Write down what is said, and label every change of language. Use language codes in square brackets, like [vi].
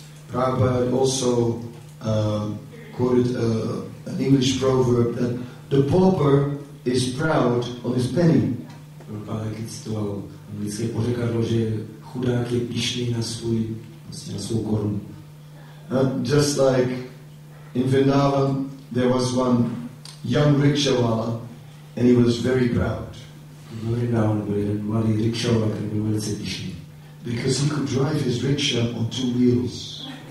[en] Prabhupada also quoted an English proverb that the pauper is proud of his penny. [cs] Prabhupada taky citoval anglické pořekadlo, že chudák je pyšný na svůj, vlastně na svou korunu. [en] Just like in Vrindavan, there was one young rickshawala, and he was very proud. Because he could drive his rickshaw on two wheels.